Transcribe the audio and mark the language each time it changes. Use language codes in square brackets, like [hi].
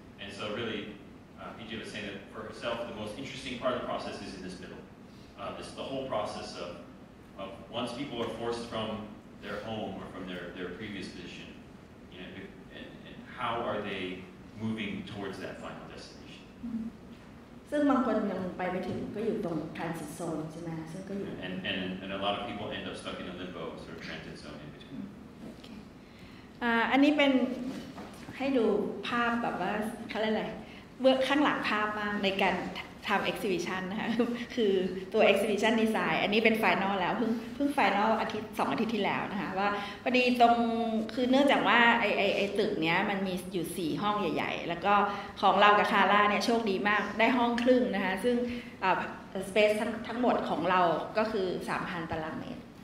[en] And so really, Ph.D. was saying that for herself, the most interesting part of the process is in this middle. This the whole process of once people are forced from their home or from their previous position, you know, and how are they moving towards that final destination? Mm-hmm. [th] ซึ่งบางคนยังไปไม่ถึงก็อยู่ตรง [en] transit zone [th] ใช่ไหมซึ่งก็อยู่ [en] and a lot of people end up stuck in a limbo sort of transit zone in between okay. [th] อันนี้เป็นให้ดูภาพแบบว่าเขาเรียกอะไรเบื้องข้างหลังภาพบ้างในการทำ exhibition นะคะคือตัว [en] exhibition design [th] อันนี้เป็น final แล้วเพิ่ง final อาทิตย์สองอาทิตย์ที่แล้วนะคะว่าพอดีตรงคือเนื่องจากว่าไอตึกเนี้ยมันมีอยู่4ห้องใหญ่ๆแล้วก็ของเรากับคาร่าเนี่ยโชคดีมากได้ห้องครึ่งนะคะซึ่ง space ทั้งหมดของเราก็คือ 3,000 ตารางเมตร